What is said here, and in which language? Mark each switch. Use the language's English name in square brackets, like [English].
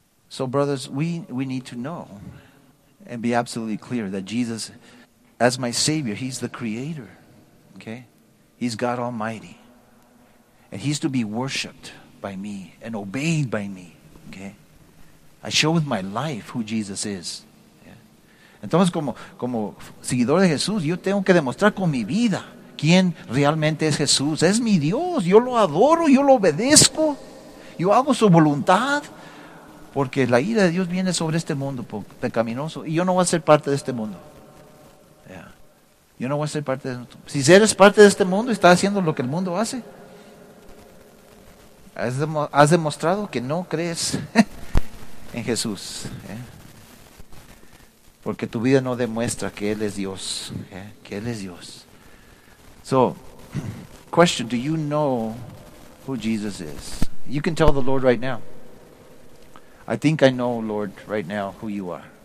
[English] So brothers, we need to know and be absolutely clear that Jesus, as my Savior, he's the Creator. Okay? He's God Almighty. And he's to be worshipped by me and obeyed by me. Okay? I show with my life who Jesus is. [Spanish] Entonces, como seguidor de Jesús, yo tengo que demostrar con mi vida quién realmente es Jesús. Es mi Dios. Yo lo adoro, yo lo obedezco. Yo hago su voluntad. Porque la ira de Dios viene sobre este mundo pecaminoso. Y yo no voy a ser parte de este mundo. Yo no voy a ser parte de este mundo. Si eres parte de este mundo y estás haciendo lo que el mundo hace, has demostrado que no crees en Jesús. Porque tu vida no demuestra que Él es Dios. Que Él es Dios. [English] So, question, do you know who Jesus is? You can tell the Lord right now. I think I know, Lord, right now who you are.